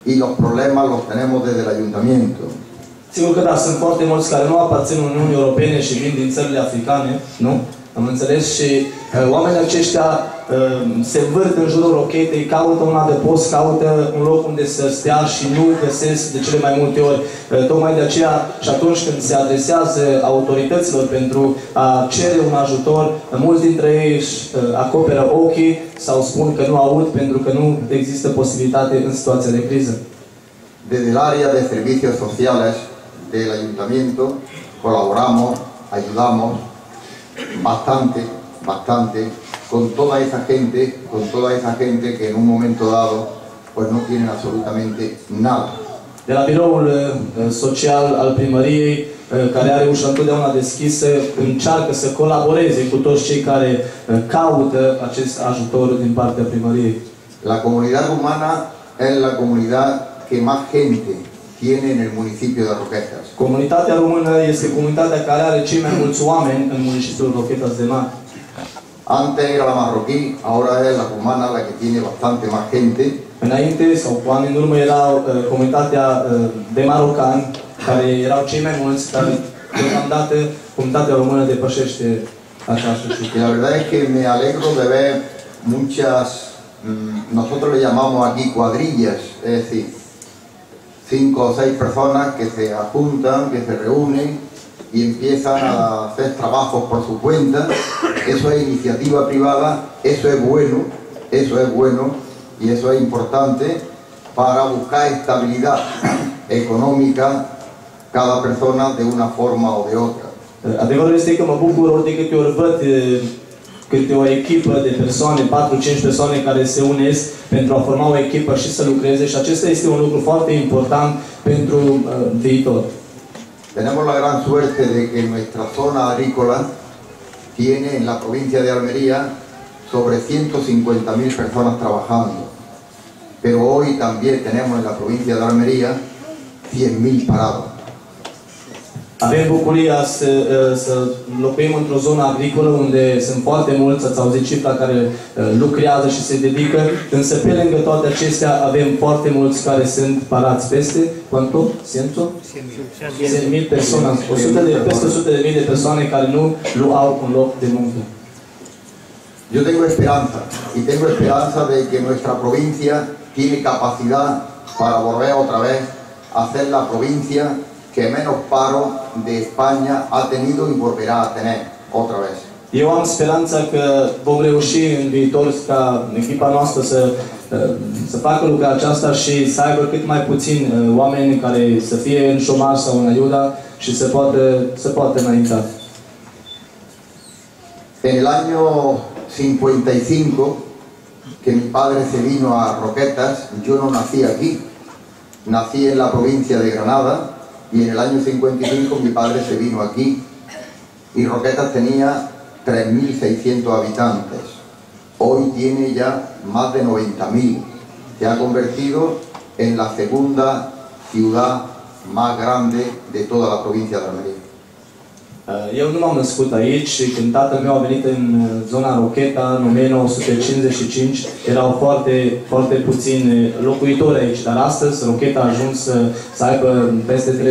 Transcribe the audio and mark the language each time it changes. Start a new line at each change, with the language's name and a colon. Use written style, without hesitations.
Spanish: y los problemas los tenemos desde el ayuntamiento.
Romanian: Sigur că da, sunt foarte mulți care nu aparțin Uniunii Europene și vin din țările africane, nu? Am înțeles și oamenii aceștia se vârt în jurul rochetei, caută un adăpost, caută un loc unde să stea și nu găsesc de cele mai multe ori. Tocmai de aceea și atunci când se adresează autorităților pentru a cere un ajutor, mulți dintre ei își acoperă ochii sau spun că nu aud pentru că nu există posibilitate în situația de criză.
Spanish: Desde el área de servicios sociales del ayuntamiento colaboramos, ayudamos bastante, bastante con toda esa gente, con toda esa gente que en un momento dado pues no tienen absolutamente nada.
Romanian: De la biroul social al primăriei, care are ușa întotdeauna deschisă, încearcă să colaboreze cu toți cei care caută acest ajutor din partea primăriei.
Spanish: La comunidad humana es la comunidad que más gente tiene en el municipio de Roquetas.
Romanian: Comunitatea română este comunitatea care are cei mai mulți oameni în municipiul Roquetas de Mar.
Spanish: Antes era la marroquí, ahora es la cumana la que tiene bastante más gente.
Romanian: Înainte sau cu ani în urmă era comunitatea de marocani, care erau cei mai mulți, dar deocamdată comunitatea română depășește această situație.
Spanish: La verdad es que me alegro de ver muchas, nosotros le llamamos aquí cuadrillas, es decir, 5 o 6 personas que se apuntan, que se reúnen y empiezan a hacer trabajos por su cuenta. Eso es iniciativa privada, eso es bueno y eso es importante para buscar estabilidad económica cada persona de una forma o de otra.
Romanian: Adevărul este că mă bucur ori de câte ori văd câte o echipă de persoane, 4-5 persoane care se unesc pentru a forma o echipă și să lucreze și acesta este un lucru foarte important pentru viitor.
Spanish: Tenemos la gran suerte de que nuestra zona agrícola tiene en la provincia de Almería sobre 150.000 personas trabajando. Pero hoy también tenemos en la provincia de Almería 100.000 parados.
Romanian: Avem bucuria să locuim într-o zonă agricolă unde sunt foarte mulți, ați auzit cifra, care lucrează și se dedică, însă pe lângă toate acestea avem foarte mulți care sunt parați peste, quanto? 100.000 persoane, peste 100.000 de persoane care nu au un loc de muncă.
Spanish: Eu tengo esperanza, y tengo esperanza de que nuestra provincia tiene capacidad para volver otra vez a hacer la provincia que menos paro de España ha tenido y volverá a tener otra vez.
Romanian: Eu am speranța că vom reuși în viitor ca echipa noastră să facă lucrarea aceasta și să aibă cât mai puțin oameni care să fie în șomaj sau în ajuda și să poată înainta.
Spanish: En el año 55, que mi padre se vino a Roquetas, yo no nací aquí. Nací en la provincia de Granada. Y en el año 55 mi padre se vino aquí y Roquetas tenía 3.600 habitantes. Hoy tiene ya más de 90.000. Se ha convertido en la segunda ciudad más grande de toda la provincia de Almería.
Romanian: Eu nu m-am născut aici și când tatăl meu a venit în zona Rocheta, în 1955, erau foarte, foarte puțini locuitori aici. Dar astăzi Rocheta a ajuns să aibă peste